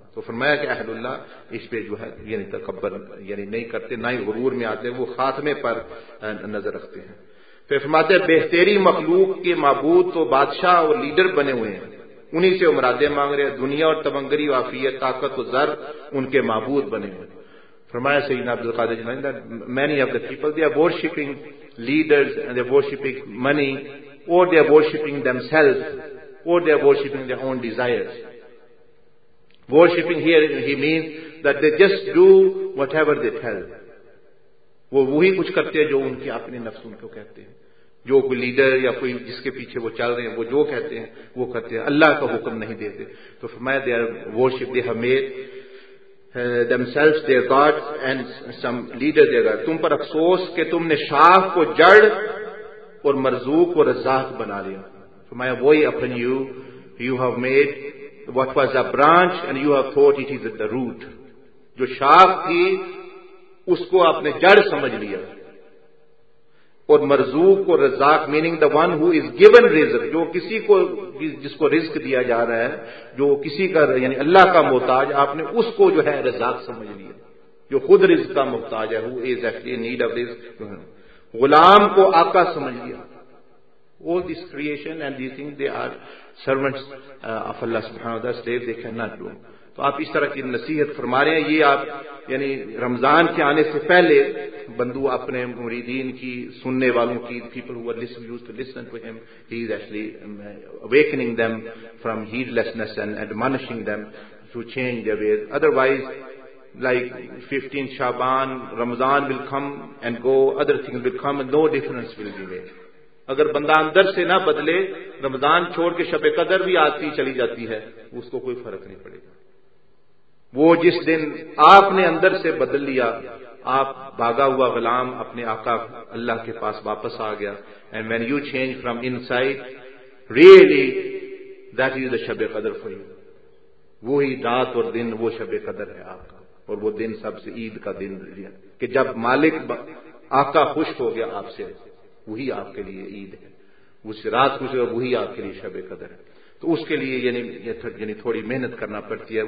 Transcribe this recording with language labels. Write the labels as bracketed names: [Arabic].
[Urdu] تو فرمایا کہ اہل اللہ اس پہ جو ہے یعنی تکبر یعنی نہیں کرتے, نہ ہی غرور میں آتے, وہ خاتمے پر نظر رکھتے ہیں. پھر فرماتے ہیں بہتری مخلوق کے معبود تو بادشاہ اور لیڈر بنے ہوئے ہیں, انہی سے امرادیں مانگ رہے ہیں, دنیا اور تمنگری وافیت طاقت و زر ان کے معبود بنے ہوئے. [English] فرمایا سیدنا عبد القادر جیلانی, many of the people they are worshipping leaders, they are worshipping money, اور they are worshipping them self, اور they are worshipping their own desires. Worshipping here he means that they just do whatever they tell. [Urdu] وہی کچھ کرتے ہیں جو ان کے اپنے نفسوں کو کہتے ہیں, جو کوئی لیڈر یا کوئی جس کے پیچھے وہ چل رہے ہیں وہ جو کہتے ہیں وہ کرتے ہیں, اللہ کا حکم نہیں دیتے. [English] تو فرمایا they are worship they ہمیں them self their god and some leader their god. [Urdu] تم پر افسوس کہ تم نے شاخ کو جڑ اور مرزوق کو رزاق بنا لیا. [English] فرمایا وہی upon you, you have made what was a branch and you have thought it is the root. [Urdu] جو شاخ تھی اس کو آپ نے جڑ سمجھ لیا, اور مرزوق کو رزاق [English] meaning the one who is given رزق, [Urdu] جو کسی کو جس کو رزق دیا جا رہا ہے, جو کسی کا یعنی اللہ کا محتاج, آپ نے اس کو جو ہے رزاق سمجھ لیا, جو خود رزق کا محتاج ہے, [English] Who is actually need of رزق. [Urdu] غلام کو آقا سمجھ لیا. [English] All this creation and these things, they are servants of Allah subhanahu wa ta'ala, slaves, they cannot do. [Urdu] تو آپ اس طرح کی نصیحت فرما رہے ہیں. یہ آپ یعنی رمضان کے آنے سے پہلے بندو اپنے مریدین کی سننے والوں کی [English] people who are used to listen to him, he is actually awakening them from heedlessness and admonishing them to change their ways. Otherwise, like 15 Shaban, Ramzan will come and go, other things will come and no difference will be made. [Urdu] اگر بندہ اندر سے نہ بدلے, رمضان چھوڑ کے شب قدر بھی آتی چلی جاتی ہے, اس کو کوئی فرق نہیں پڑے گا. وہ جس دن آپ نے اندر سے بدل لیا, آپ بھاگا ہوا غلام اپنے آقا اللہ کے پاس واپس آ گیا. [English] And when you change from inside really that is the Shab Qadr for you. [Urdu] وہی رات اور دن وہ شب قدر ہے آپ کا, اور وہ دن سب سے عید کا دن ہے کہ جب مالک آقا خوش ہو گیا آپ سے, وہی آپ کے لیے عید ہے. اس رات خوش ہو وہی آپ کے لیے شب قدر ہے. تو اس کے لیے یعنی تھوڑی محنت کرنا پڑتی ہے.